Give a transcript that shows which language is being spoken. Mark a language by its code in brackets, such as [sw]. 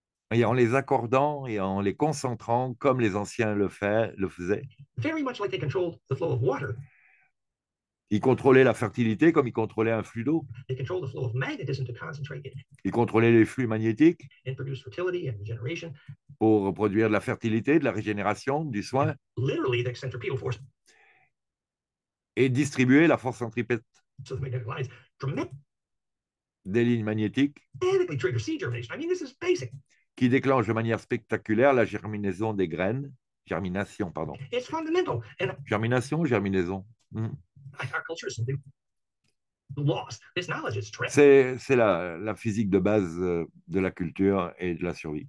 [fr] Et en les accordant et en les concentrant comme les anciens le faisaient. [en] Very much like they controlled the flow of water. [fr] Ils contrôlaient la fertilité comme ils contrôlaient un flux d'eau. [en] They controlled the flow of magnetism to concentrate it. [fr] Ils contrôlaient les flux magnétiques [en] and produce fertility and regeneration. [fr] Pour produire de la fertilité, de la régénération, du soin. [en] Literally the centripetal force. [fr] Et distribuer la force centripète [en] so the magnetic lines, dramatic, [fr] des lignes magnétiques [en] dramatically trigger seed germination. I mean, this is basic. [fr] Qui déclenche de manière spectaculaire la germinaison des graines. [en] Germination. It's fundamental. And, [fr] germination ou germinaison [en] our culture is something lost. This knowledge is trapped. [fr] C'est la physique de base de la culture et de la survie.